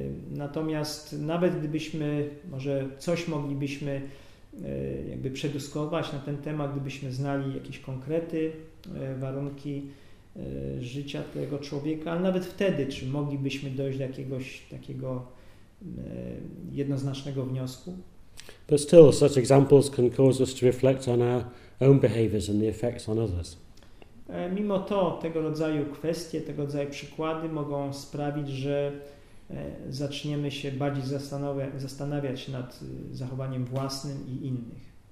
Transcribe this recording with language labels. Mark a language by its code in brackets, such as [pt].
[pl] Natomiast nawet gdybyśmy, może coś moglibyśmy jakby przedyskutować na ten temat, gdybyśmy znali jakieś konkrety warunki życia tego człowieka, ale nawet wtedy, czy moglibyśmy dojść do jakiegoś takiego jednoznacznego wniosku? [en] But still, such examples can cause us to reflect on our own behaviors and the effects on others. [pl] Mimo to, tego rodzaju kwestie, tego rodzaju przykłady mogą sprawić, że zaczniemy się bardziej zastanawiać nad zachowaniem własnym i innych.